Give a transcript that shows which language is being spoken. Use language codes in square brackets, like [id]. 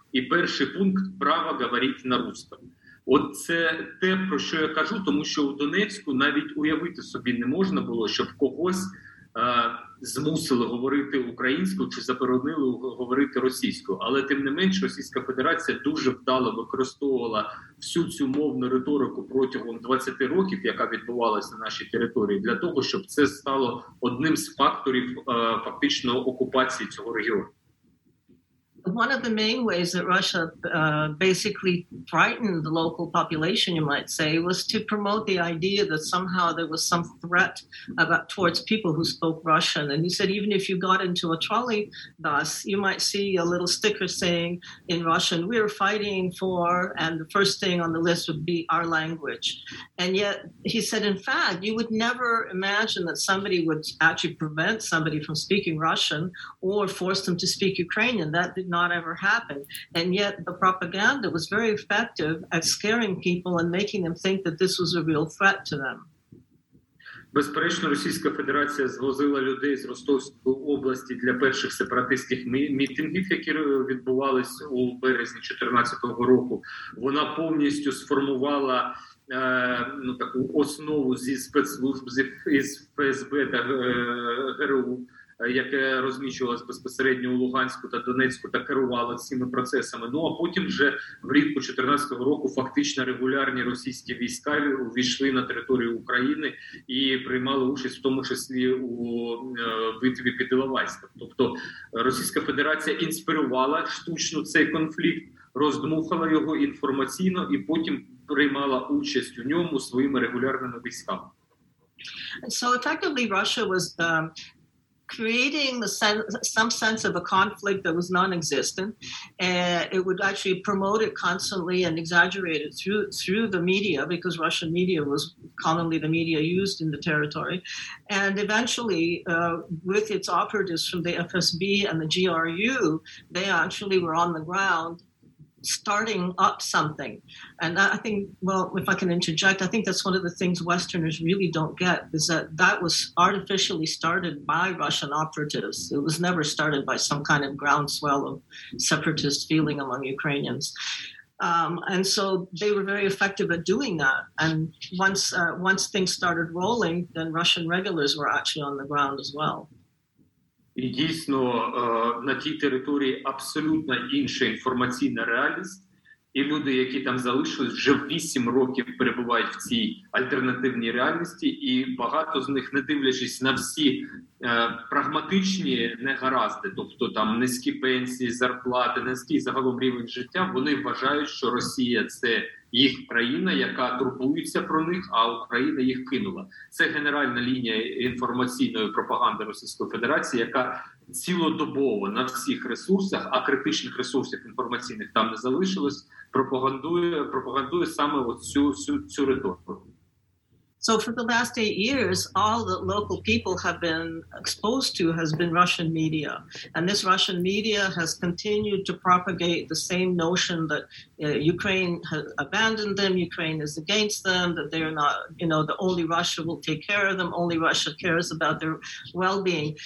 [uk] І перший пункт «Право говорити на русском». От це те, про що я кажу, тому що в Донецьку навіть уявити собі не можна було, щоб когось змусили говорити українською чи заборонили говорити російською. Але тим не менш, Російська Федерація дуже вдало використовувала всю цю мовну риторику протягом 20 років, яка відбувалася на нашій території, для того, щоб це стало одним з факторів фактично окупації цього регіону. [en] One of the main ways that Russia basically frightened the local population, you might say, was to promote the idea that somehow there was some threat about towards people who spoke Russian. And he said, even if you got into a trolley bus, you might see a little sticker saying in Russian, we are fighting for, and the first thing on the list would be our language. And yet he said, in fact, you would never imagine that somebody would actually prevent somebody from speaking Russian or force them to speak Ukrainian. That not ever happened. And yet the propaganda was very effective at scaring people and making them think that this was a real threat to them. [uk] Безперечно, Російська Федерація звозила людей з Ростовської області для перших сепаратистських мітингів, які відбувалися у березні 2014 року. Вона повністю сформувала таку основу зі спецслужб, із ФСБ та ГРУ, яке розміщувалось безпосередньо у Луганську та Донецьку та керувало цими процесами. Ну а потім вже влітку 2014 року фактично регулярні російські війська увійшли на територію України і приймали участь в тому числі у битві під Іловайськом. Тобто Російська Федерація інспірувала штучно цей конфлікт, роздмухала його інформаційно і потім приймала участь у ньому своїми регулярними військами. [en] So effectively Russia was creating some sense of a conflict that was non-existent, and it would actually promote it constantly and exaggerate it through the media, because Russian media was commonly the media used in the territory. And eventually, with its operatives from the FSB and the GRU, they actually were on the ground starting up something. And I think, well, if I can interject, I think that's one of the things Westerners really don't get, is that that was artificially started by Russian operatives. It was never started by some kind of groundswell of separatist feeling among Ukrainians. And so they were very effective at doing that. And once things started rolling, then Russian regulars were actually on the ground as well. [uk] І дійсно на тій території абсолютно інша інформаційна реальність, і люди, які там залишились, вже 8 років перебувають в цій альтернативній реальності, і багато з них, не дивлячись на всі прагматичні негаразди, тобто там низькі пенсії, зарплати, низький загалом рівень життя, вони вважають, що Росія – це їх країна, яка турбується про них, а Україна їх кинула. Це генеральна лінія інформаційної пропаганди Російської Федерації, яка цілодобово на всіх ресурсах, а критичних ресурсах інформаційних там не залишилось, пропагандує саме цю риторику. [en] So for the last 8 years, all that local people have been exposed to has been Russian media. And this Russian media has continued to propagate the same notion that Ukraine has abandoned them, Ukraine is against them, that they're not, you know, that only Russia will take care of them, only Russia cares about their well-being.